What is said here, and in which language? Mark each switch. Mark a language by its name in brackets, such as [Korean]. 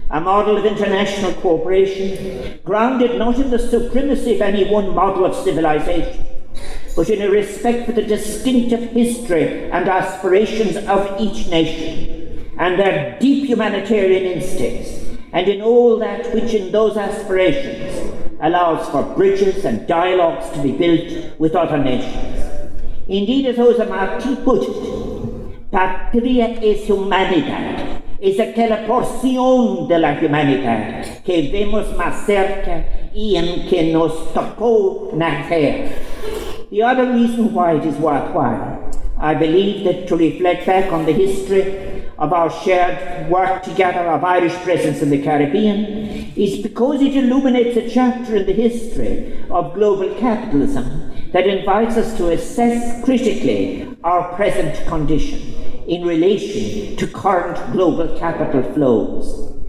[English] A model of international cooperation, grounded not in the supremacy of any one model of civilization, but in a respect for the distinctive history and aspirations of each nation, and their deep humanitarian instincts, and in all that which in those aspirations allows for bridges and dialogues to be built with other nations. Indeed, as Jose Martí put it, [Spanish] patria es humanidad, es aquella porción de la humanidad que vemos más cerca y en que nos tocó nacer. [English] The other reason why it is worthwhile, I believe that to reflect back on the history of our shared work together of Irish presence in the Caribbean is because it illuminates a chapter in the history of global capitalism that invites us to assess critically our present condition in relation to current global capital flows.